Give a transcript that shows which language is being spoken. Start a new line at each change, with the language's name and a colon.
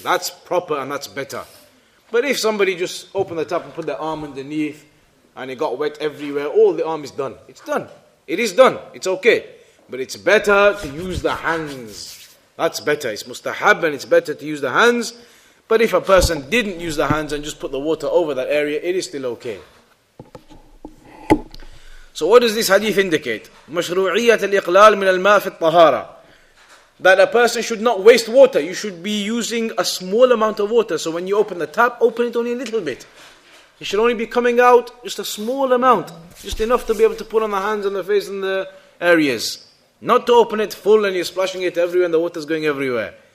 English: That's proper and that's better. But if somebody just opened the tap and put their arm underneath and it got wet everywhere, all the arm is done. It's done. It is done. It's okay. But it's better to use the hands. That's better. It's mustahab and it's better to use the hands. But if a person didn't use the hands and just put the water over that area, it is still okay. So what does this hadith indicate?
Arabic: مشروعية الإقلال من الماء في الطهارة.
English: that a person should not waste water. You should be using a small amount of water. So when you open the tap, open it only a little bit. It should only be coming out just a small amount, just enough to be able to put on the hands and the face and the areas. Not to open it full and you're splashing it everywhere and the water's going everywhere.